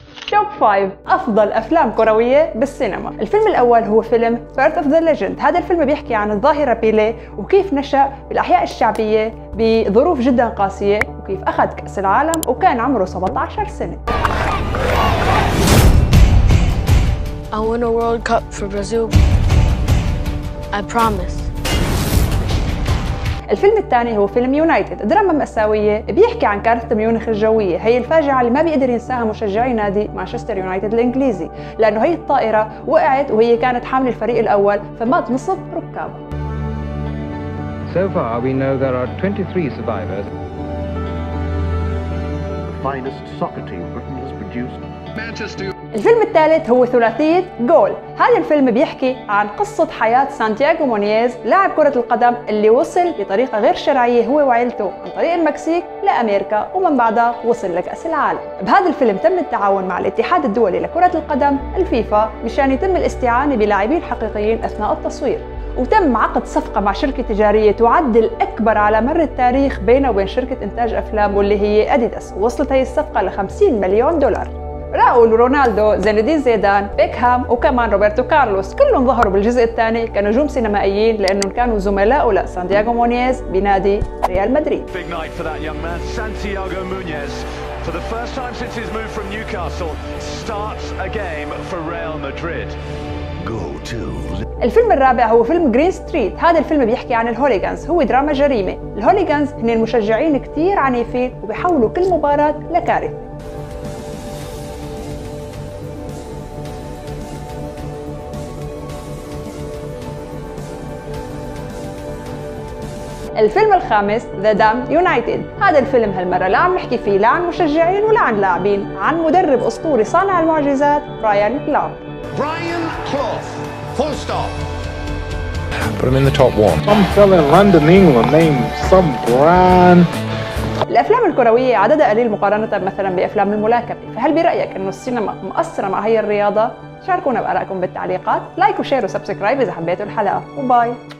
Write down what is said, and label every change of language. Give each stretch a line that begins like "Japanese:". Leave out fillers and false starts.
Arabic: توب 5 أفضل أفلام كروية بالسينما. الفيلم الأول هو فيلم Birth of the Legend. هذا الفيلم بيحكي عن الظاهرة بيلي وكيف نشأ بالأحياء الشعبية بظروف جداً قاسية وكيف أخذ كأس العالم وكان عمره 17 سنة.
English: I won a World Cup for Brazil. I promise.
Arabic: الفيلم الثاني هو فيلم يونايتد، دراما مأساوية بيحكي عن كارثة ميونخ الجوية، هي الفاجعة اللي ما بيقدر ينساها مشجعي نادي مانشستر يونايتد الإنجليزي، لأنه هي الطائرة وقعت وهي كانت حامل الفريق الأول فمات نصف ركابها.
English: So far we know there are 23 survivors. The finest soccer team Britain has produced.
Arabic: الفيلم الثالث هو ثلاثية جول. هذا الفيلم بيحكي عن قصة حياة سانتياغو مونييز، لاعب كرة القدم اللي وصل بطريقة غير شرعية هو وعيلته عن طريق المكسيك لأمريكا ومن بعدها وصل لكأس العالم. بهذا الفيلم تم التعاون مع الاتحاد الدولي لكرة القدم الفيفا مشان يتم الاستعانة بلاعبين حقيقيين أثناء التصوير، وتم عقد صفقة مع شركة تجارية تعد الأكبر على مر التاريخ بينه وبين شركة إنتاج أفلام واللي هي أديداس، وصلت هي الصفقة ل$50 مليون. راؤول ورونالدو، زين الدين زيدان، بيكهام وكمان روبرتو كارلوس كلهم ظهروا بالجزء الثاني كنجوم سينمائيين لأنهم كانوا زملاء لسانتياغو مونييز بنادي ريال مدريد.
English: Big night for that young man, Santiago Muñez. For the first time since his move from Newcastle, starts a game for Real Madrid. Go to.
Arabic: الفيلم الرابع هو فيلم جرين ستريت. هذا الفيلم بيحكي عن الهوليغانز، هو دراما جريمة. الهوليغانز هن المشجعين كتير عنيفين وبيحولوا كل مباراة لكارثة. الفيلم الخامس The Damned United. هذا الفيلم هالمرة لا عم نحكي فيه لا عن مشجعين ولا عن لاعبين، عن مدرب أسطوري صانع المعجزات برايان كلوب.
English: Brian Clough, full stop. Put him in the top one. Some fella in London, England named some Brian.
Arabic: الأفلام الكروية عددها قليل مقارنة مثلا بأفلام الملاكمة، فهل برأيك إنه السينما مؤثرة مع هي الرياضة؟ شاركونا بآرائكم بالتعليقات، لايك وشير وسبسكرايب إذا حبيتوا الحلقة، وباي.